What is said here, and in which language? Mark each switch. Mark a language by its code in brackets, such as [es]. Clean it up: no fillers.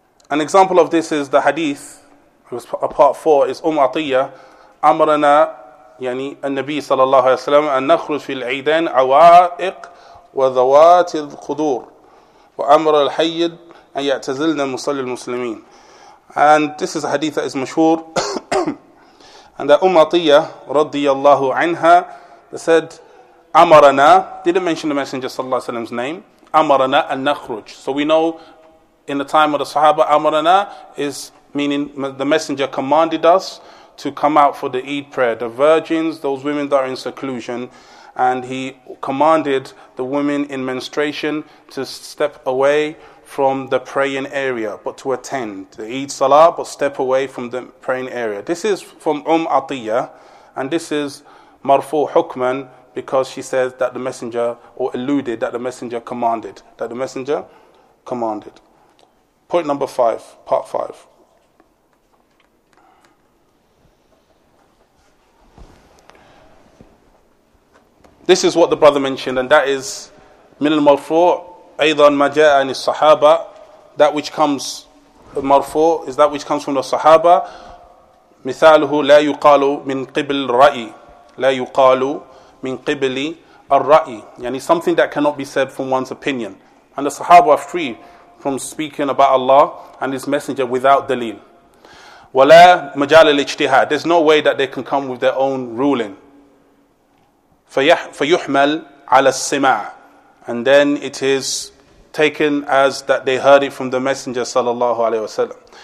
[en] An example of this is the hadith, which was a part four, is Atiyah, Amrana, [ar] يعني النبي صلى الله عليه وسلم أن نخرج في العيدين عوائق وذوات الخدور وأمر الحيد أن يعتزلنا مصلي المسلمين. [en] And this is a hadith that is مشهور. And that Umatiyah رضي الله عنها said أمرنا, didn't mention the messenger صلى الله عليه وسلم's name, [ar] أمرنا أن نخرج. [en] So we know in the time of the Sahaba, أمرنا is meaning the messenger commanded us to come out for the Eid prayer, the virgins, those women that are in seclusion, and he commanded the women in menstruation to step away from the praying area, but to attend the Eid Salah, but step away from the praying area. This is from Atiyah, and this is Marfu Hukman, because she says that the messenger, or alluded that the messenger commanded, that the messenger commanded. Point number five, part five. This is what the brother mentioned, and that is [ar] من المرفوع أيضا ما جاء عن الصحابة. [en] That which comes المرفوع is that which comes from the صحابة. [ar] مثاله لا يقال من قبل الرأي. لا يقال من قبل الرأي. [en] يعني something that cannot be said from one's opinion. And the صحابة are free from speaking about Allah and His Messenger without دليل. [ar] ولا مجال الاجتهاد. [en] There's no way that they can come with their own ruling. [ar] فيحمل على السماع, [en] and then it is taken as that they heard it from the messenger sallallahu alaihi wasallam.